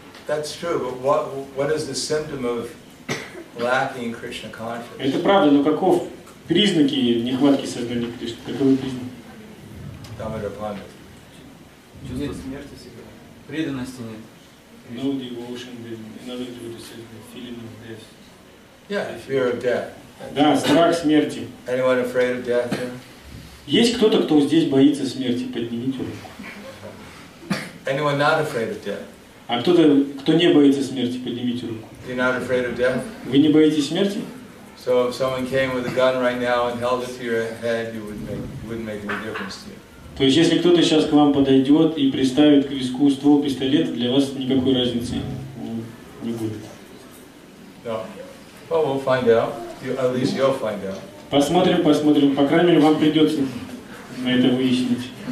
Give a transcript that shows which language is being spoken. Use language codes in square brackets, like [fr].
[en] That's true, but what is the symptom of lacking Krishna consciousness? [ru] Это правда, но каков признаки нехватки сознания Кришны? Каковы признаки? Дамодара панда. Чувство смерти себя. Преданности нет. [en] No devotion, another thing to say, feeling of death. Yeah, fear of death. [ru] Да, страх смерти. [en] Anyone afraid of death? [ru] Есть кто-то, кто здесь боится смерти? Поднимите руку. [en] Anyone not afraid of death? [ru] А кто-то, кто не боится смерти, поднимите руку. [en] You're not afraid of death? [ru] Вы не боитесь смерти? [en] So if someone came with a gun right now and held it to your head, you wouldn't make any difference to you. [ru] То есть если кто-то сейчас к вам подойдет и приставит к виску ствол пистолета, для вас никакой разницы не будет. [en] No. Well, we'll find out. At least you'll find out. [ru] Посмотрим. По крайней мере, вам придется на это выяснить.